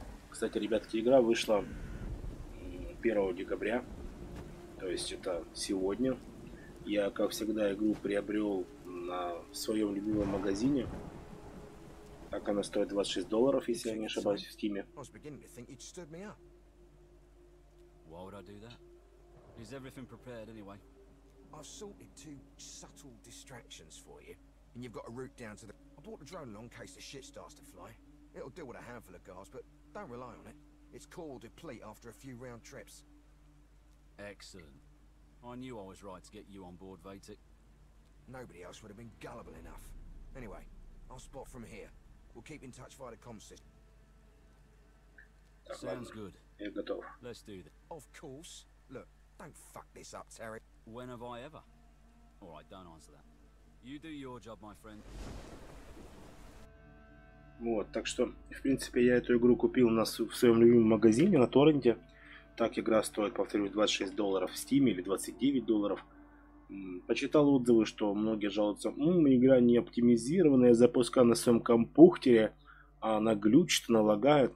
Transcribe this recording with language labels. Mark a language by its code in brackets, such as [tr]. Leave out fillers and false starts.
[ru] Кстати, ребятки, игра вышла 1 декабря. То есть это сегодня. Я, как всегда, игру приобрел на своем любимом магазине. Так она стоит $26, если я не ошибаюсь, в Стиме. [en] I was beginning to think you'd stood me up. Why would I do that? Is everything prepared anyway? I've sorted two subtle distractions for you. And you've got a route down to the... I brought the drone along in case the shit starts to fly. It'll deal with a handful of guards, but don't rely on it. It's core will deplete after a few round trips. Excellent. I knew I was right to get you on board, Vatic. Nobody else would have been gullible enough. Anyway, I'll spot from here. We'll keep in touch via the comsys. Sounds good. [ru] Я готов. [en] Let's do that. Of course. Look, don't fuck this up, Terry. When have I ever? All right, don't answer that. You do your job, my friend. [ru] Вот, так что, в принципе, я эту игру купил в своем любимом магазине на торренте. Так, игра стоит, повторюсь, $26 в Steam или $29. Почитал отзывы, что многие жалуются, игра не оптимизированная, запускаю на своем компьютере, а она глючит, она лагает.